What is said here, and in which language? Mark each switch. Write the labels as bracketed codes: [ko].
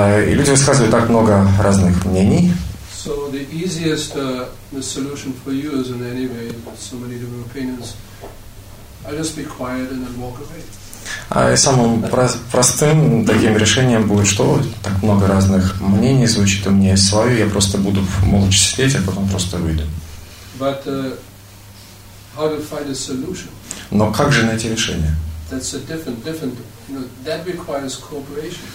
[ru] И люди высказывают так много разных мнений. [en] So the easiest solution for you is in any way so many different opinions. I just be quiet and then walk away. [ru] А самым простым таким решением будет, что так много разных мнений звучит у меня свое, я просто буду молча сидеть, а потом просто выйду. [en] But how to find a solution? [ru] Но как же найти решение? [en] That's a different. You know, that requires cooperation.